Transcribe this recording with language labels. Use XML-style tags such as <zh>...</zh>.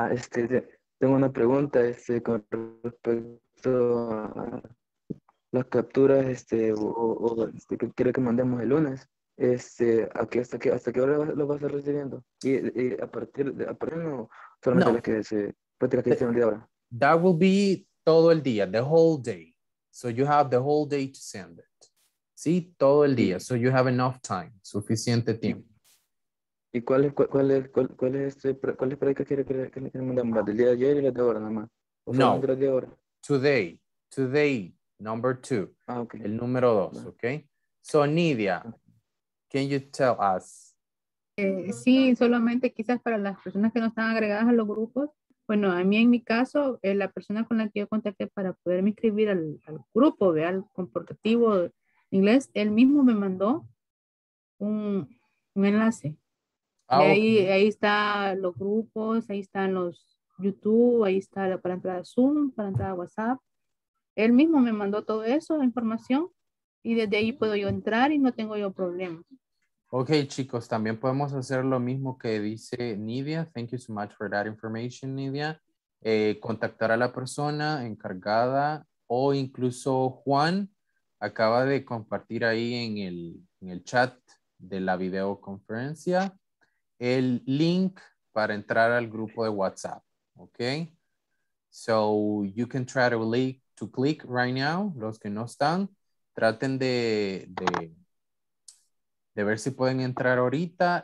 <es>Tengo una pregunta con respecto a las capturas que quiero que mandemos el lunes. ¿Hasta qué hora lo vas a estar recibiendo? ¿Y a partir no solamente las que se practican el día de ahora?</es> <en>That will be</en> <es>todo el día,</es> <en>the whole day. So you have the whole day to send it.</en> <es>¿Sí? Todo el día.</es> <en>So you have enough time.</en> <es>Suficiente tiempo. ¿Y cuál es práctica que mandamos? ¿Del día de ayer y la de ahora nada más? No. De ahora.</es> <en>Today. Today, number two. Ah, okay.</en> <es>El número dos,</es> <en>okay? So, Nidia, can you tell us?</en> <es>Sí, solamente quizás para las personas que no están agregadas a los grupos. Bueno, a mí en mi caso, la persona con la que yo contacté para poderme inscribir al grupo, ¿verdad? Al comportativo inglés, él mismo me mandó un enlace. Ah, y ahí, okay. Ahí están los grupos, ahí están los YouTube, ahí está para entrar a Zoom, para entrar a WhatsApp. Él mismo me mandó todo eso, la información, y desde ahí puedo yo entrar y no tengo yo problemas. Ok, chicos, también podemos hacer lo mismo que dice Nidia.</es> <en>Thank you so much for that information, Nidia.</en> <es>Contactar a la persona encargada o incluso Juan acaba de compartir ahí en el chat de la videoconferencia el link para entrar al grupo de WhatsApp.</es> <en>Ok, so you can try to click right now,</en> <es>los que no están, traten de ver si pueden entrar ahorita.</es>